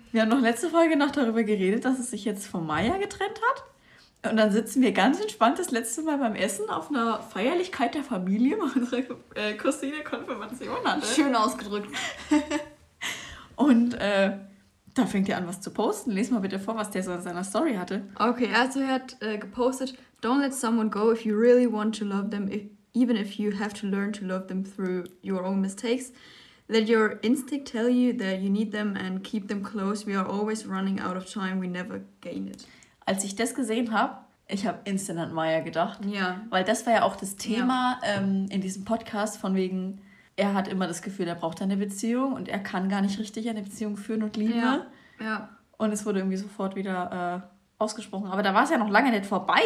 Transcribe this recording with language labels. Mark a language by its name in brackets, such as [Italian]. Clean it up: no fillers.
[German] Wir haben noch letzte Folge noch darüber geredet, dass es sich jetzt von Maya getrennt hat. Und dann sitzen wir ganz entspannt das letzte Mal beim Essen auf einer Feierlichkeit der Familie, wo unsere Cousine Konfirmation hatte. Schön ausgedrückt. Und da fängt er an, was zu posten. Lies mal bitte vor, was der so in seiner Story hatte. Okay, also er hat gepostet, [English] don't let someone go if you really want to love them, even if you have to learn to love them through your own mistakes. Let your instinct tell you that you need them and keep them close. We are always running out of time, we never gain it. [German] Als ich das gesehen habe, ich habe instant an Maya gedacht. Ja. Weil das war ja auch das Thema in diesem Podcast, von wegen, er hat immer das Gefühl, er braucht eine Beziehung und er kann gar nicht richtig eine Beziehung führen und lieben. Ja. Und es wurde irgendwie sofort wieder ausgesprochen. Aber da war es ja noch lange nicht vorbei.